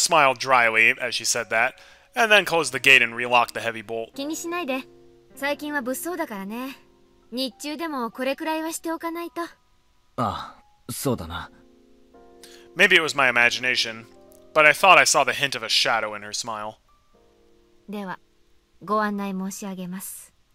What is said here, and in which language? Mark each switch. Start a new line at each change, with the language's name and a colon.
English: smiled dryly as she said that, and then closed the gate and relocked the heavy bolt.
Japanese: 気にしないで。最近は物騒だからね。日中でもこれくらいはしておかないと。ああ、そうだな。
English: Maybe it was my imagination, but I thought I saw the hint of a shadow in her smile.
Japanese: では、ご案内申し上げます。